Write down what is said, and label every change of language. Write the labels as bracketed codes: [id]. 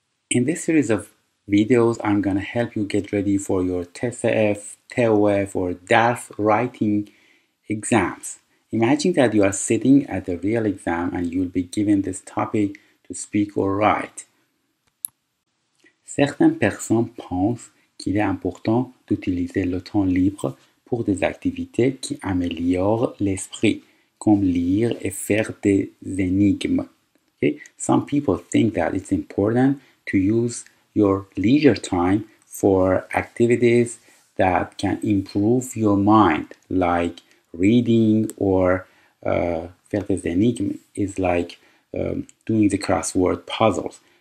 [en] In this series of videos, I'm going to help you get ready for your TESF, TEOEF, or DAF writing exams. Imagine that you are sitting at the real exam and you'll be given this topic to speak or write. [fr] Certaines personnes pensent qu'il est important d'utiliser le temps libre pour des activités qui améliorent l'esprit, comme lire et faire des énigmes. [en] Some people think that it's important to use your leisure time for activities that can improve your mind, like reading or [fr] faire des énigmes [en] is like doing the crossword puzzles.